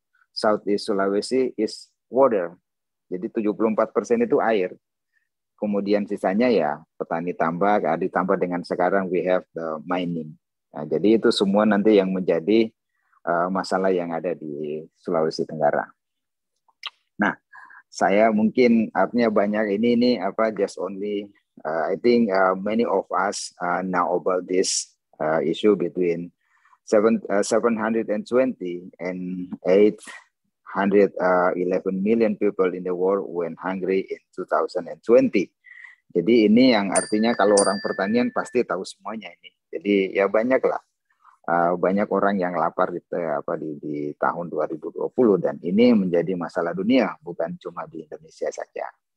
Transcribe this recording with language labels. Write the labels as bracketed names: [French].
[English] Southeast Sulawesi is water, [Indonesian] jadi 74% itu air, kemudian sisanya ya petani tambak, ditambah dengan sekarang [English] we have the mining. [Indonesian] Nah, jadi itu semua nanti yang menjadi masalah yang ada di Sulawesi Tenggara. Saya mungkin artinya banyak ini [English] just only I think many of us know about this issue between 720 and 811 million people in the world went hungry in 2020. [Indonesian] Jadi ini yang artinya kalau orang pertanian pasti tahu semuanya ini. Jadi ya banyaklah banyak orang yang lapar di tahun 2020 dan ini menjadi masalah dunia bukan cuma di Indonesia saja.